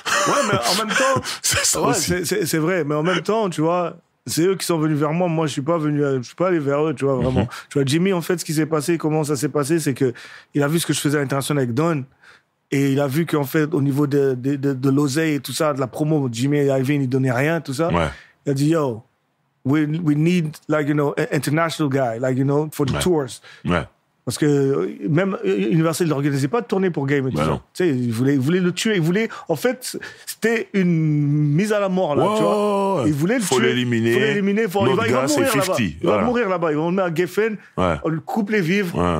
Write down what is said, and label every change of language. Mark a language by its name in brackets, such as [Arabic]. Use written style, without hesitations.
[French] Ouais, mais en même temps, c'est vrai, mais en même temps, tu vois, c'est eux qui sont venus vers moi. Moi, je suis pas allé vers eux, tu vois, vraiment. Mm-hmm. Tu vois, Jimmy, en fait, ce qui s'est passé, comment ça s'est passé, c'est que il a vu ce que je faisais à l'international avec Don. Et il a vu qu'en fait, au niveau de l'oseille et tout ça, de la promo, Jimmy est arrivé, il ne donnait rien, tout ça. Ouais. Il a dit, [English] yo, we need, like, you know, an international guy, like, you know, for the tours. [French] Ouais. Parce que même Universal n'organisait pas de tournée pour Game. Tu sais, il voulait le tuer. Il voulait, en fait, c'était une mise à la mort, là, tu vois. Il voulait le faut tuer. Il faut l'éliminer. Il va mourir là-bas. Il va mourir là-bas. On met à Geffen, on le coupe les vivres. Ouais.